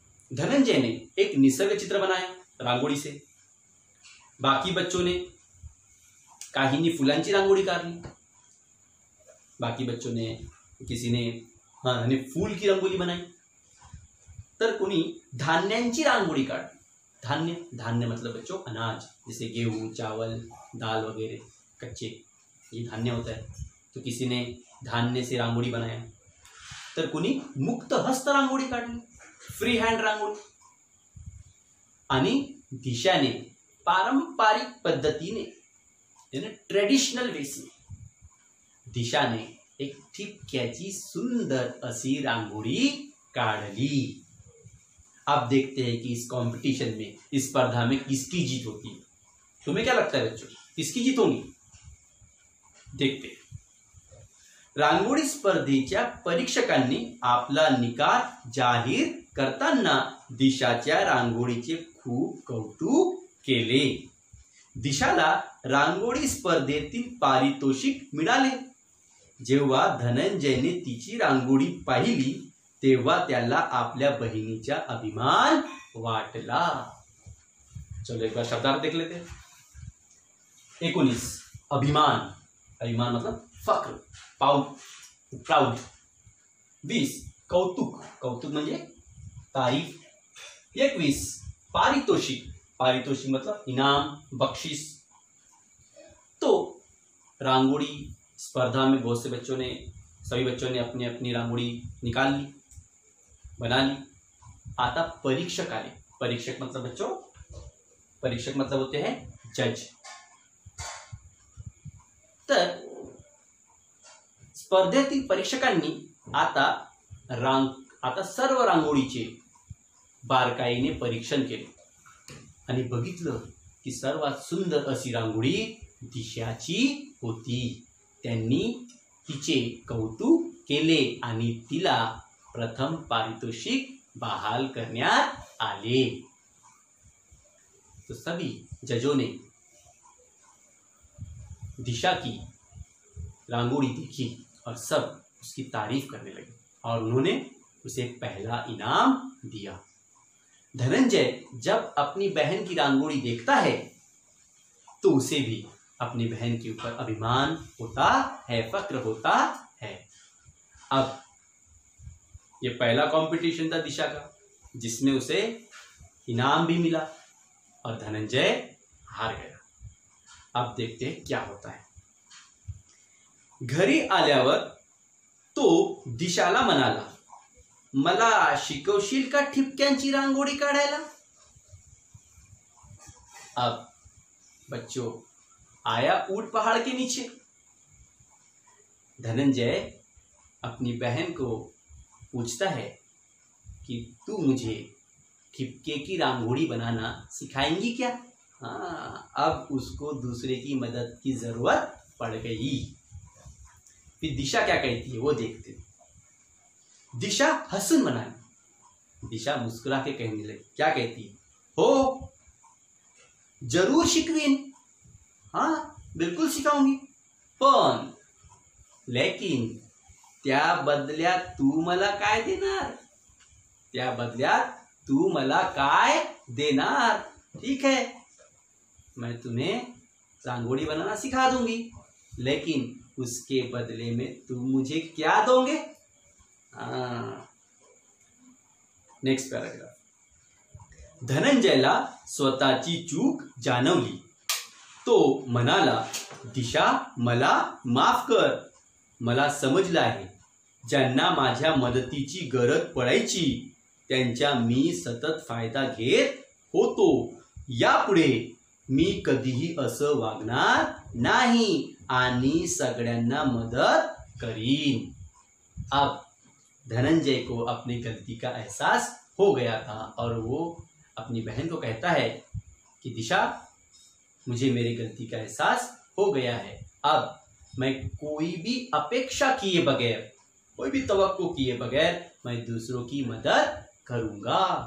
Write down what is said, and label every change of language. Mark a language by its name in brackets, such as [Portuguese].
[Hindi] धनंजय ने एक निसर्ग चित्र बनाया रांगोळी से, बाकी बच्चों ने [Marathi] काहींनी फुलांची रांगोळी काढली, [Hindi] बाकी बच्चों ने किसी ने हाँ फूल की रंगोली बनाई, [Marathi] तर कोणी धान्यांची रांगोळी काढली। [Hindi] धान्य, धान्य मतलब बच्चों अनाज, जैसे गेहूं चावल दाल वगैरह कच्चे, ये धान्य होता है। तो किसी ने धान्य से रांगोळी बनाया, [Marathi] तर कोणी मुक्त हस्त रांगोळी काढली, [Hindi] फ्री हैंड रांगोळी। [Marathi] आणि दिशा ने पारंपरिक पद्धति ने ट्रेडिशनल वेसी, दिशा ने एक ठिपक्याची सुंदर असी रांगोळी काढली। [Hindi] आप देखते हैं कि इस कॉम्पिटिशन में, इस स्पर्धा में किसकी जीत होती है, तुम्हें क्या लगता है बच्चों किसकी जीत होगी, देखते हैं। [Marathi] रांगोळी स्पर्धेच्या परीक्षकांनी आपला निकाल जाहीर करताना दिशाच्या रांगोळीचे खूप कौतुक केले। दिशाला रांगोळी स्पर्धेतील पारितोषिक मिळाले। जेव्हा धनंजयने तिची रांगोळी पाहिली तेव्हा त्याला आपल्या बहिणीचा अभिमान वाटला। [Hindi] चलो एक बार शब्दार्थ देख लेते। 19 अभिमान, अभिमान मतलब फक्र, प्राउड। [Marathi] 20 कौतुक, कौतुक म्हणजे तारीफ। [Hindi] 21 पारितोषिक, पारितोषिक मतलब इनाम बख्शीश। तो रांगोळी स्पर्धा में बहुत से बच्चों ने, सभी बच्चों ने अपनी अपनी रांगोळी निकाल ली, बना ली। [Marathi] आता परीक्षक आले, [Hindi] परीक्षक मतलब बच्चों, परीक्षक मतलब होते हैं जज। [Marathi] तर स्पर्धेतील परीक्षकांनी आता सर्व रांगोळीचे बारकाईने परीक्षण केले आणि बघितलं की सर्वात सुंदर अशी रांगोळी दिशाची होती। त्यांनी तिचे कौतुक केले आणि तिला प्रथम पारितोषिक बहाल करण्यात आले। [Hindi] तो सभी जजों ने दिशा की रांगोळी देखी और सब उसकी तारीफ करने लगे और उन्होंने उसे पहला इनाम दिया। धनंजय जब अपनी बहन की रांगोळी देखता है तो उसे भी अपनी बहन के ऊपर अभिमान होता है, फक्र होता है। अब ये पहला कॉम्पिटिशन था दिशा का जिसमें उसे इनाम भी मिला और धनंजय हार गया। अब देखते हैं क्या होता है। [Marathi] घरी आल्यावर तो दिशाला म्हणाला, मला शिकवशील का ठिपक्यांची रांगोळी काढायला। [Hindi] अब बच्चों आया ऊट पहाड़ के नीचे। धनंजय अपनी बहन को पूछता है कि तू मुझे ठिपके की रांगोळी बनाना सिखाएंगी क्या। अब उसको दूसरे की मदद की जरूरत पड़ गई। फिर दिशा क्या कहती है वो देखते। दिशा हसन मनाई, दिशा मुस्कुरा के कहने लगी, क्या कहती है? [Marathi] हो जरूर शिकवीन, [Hindi] हाँ बिल्कुल सिखाऊंगी, [Marathi] पण लेकिन त्या बदल्यात तू मला काय देणार, त्या बदल्यात तू मला काय देणार। [Hindi] ठीक है मैं तुम्हें रांगोळी बनाना सिखा दूंगी लेकिन उसके बदले में तुम मुझे क्या दोगे। [English] Next paragraph. [Marathi] धनंजयला स्वतःची चूक जाणवली तो म्हणाला, दिशा मला माफ कर, मला समजलं आहे ज्यांना माझ्या मदतीची गरज पडायची त्यांचा मी सतत फायदा घेत होतो, यापुढे मी कधीही असं वागणार नाही आणि सगळ्यांना मदत करीन। [Hindi] अब धनंजय को अपनी गलती का एहसास हो गया था और वो अपनी बहन को कहता है कि दिशा मुझे मेरी गलती का एहसास हो गया है, अब मैं कोई भी अपेक्षा किए बगैर, कोई भी तवक्को किए बगैर मैं दूसरों की मदद करूंगा।